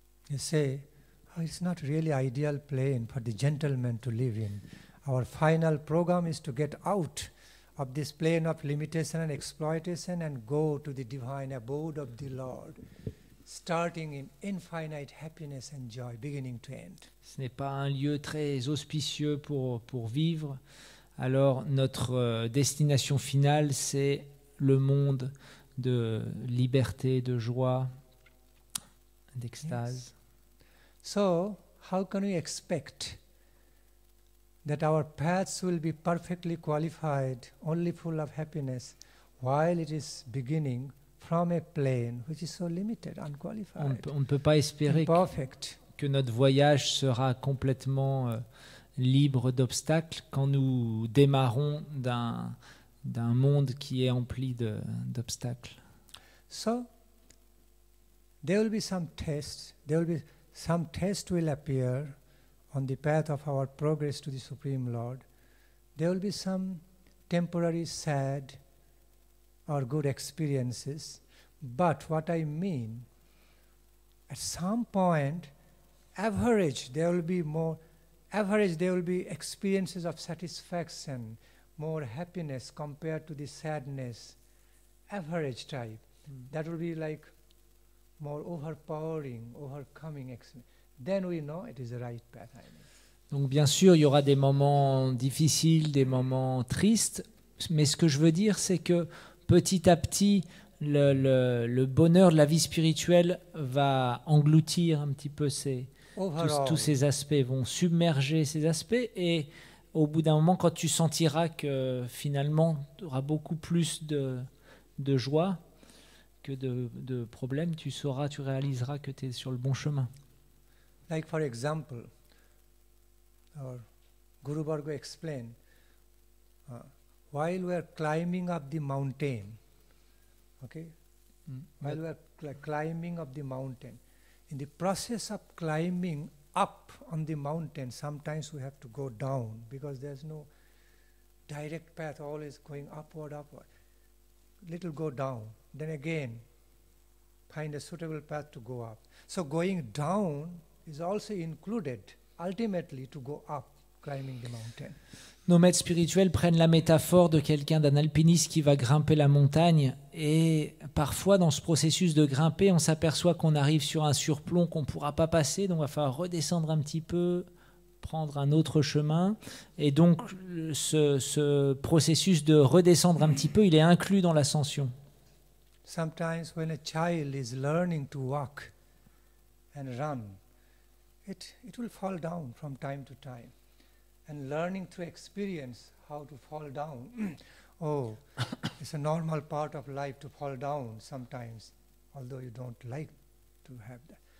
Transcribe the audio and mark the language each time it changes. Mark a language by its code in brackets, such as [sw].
[en] They say, oh, it's not really ideal plane for the gentleman to live in. Our final program is to get out of this plane of limitation and exploitation and go to the divine abode of the Lord. Starting in infinite happiness and joy, beginning to end. [fr] Ce n'est pas un lieu très auspicieux pour vivre. Alors notre destination finale, c'est le monde de liberté, de joie, d'extase. [en] Yes. So, how can we expect that our paths will be perfectly qualified, only full of happiness, while it is beginning? From a plane which is so limited, unqualified, [fr] on ne peut pas espérer que notre voyage sera complètement libre d'obstacles quand nous démarrons d'un monde qui est empli d'obstacles. [en] So, there will be some tests. There will be some tests will appear on the path of our progress to the Supreme Lord. There will be some temporary sad or good experiences. But what I mean, at some point, there will be experiences of satisfaction, more happiness compared to the sadness, average type. That will be like more overpowering, overcoming experience. Then we know it is the right path. I mean. [fr] Donc bien sûr, il y aura des moments difficiles, des moments tristes. Mais ce que je veux dire, c'est que petit à petit, Le bonheur de la vie spirituelle va engloutir un petit peu tous ces aspects, vont submerger ces aspects, et au bout d'un moment, quand tu sentiras que finalement tu auras beaucoup plus de joie que de problèmes, tu réaliseras que tu es sur le bon chemin. [en] Like for example, our Guru Bhargava explained, while we are climbing up the mountain. Okay, while we are climbing up the mountain, in the process of climbing up on the mountain, sometimes we have to go down because there's no direct path, always going upward. Little go down, then again find a suitable path to go up. So going down is also included ultimately to go up, climbing the mountain. [fr] Nos maîtres spirituels prennent la métaphore de quelqu'un, d'un alpiniste qui va grimper la montagne, et parfois dans ce processus de grimper, on s'aperçoit qu'on arrive sur un surplomb qu'on ne pourra pas passer, donc il va falloir redescendre un petit peu, prendre un autre chemin, et donc ce processus de redescendre un petit peu, il est inclus dans l'ascension. [en] Sometimes when a child is learning to walk and run, it will fall down from time to time. And learning through experience how to fall down. Oh, it's a normal part of life to fall down sometimes, although you don't like to have that.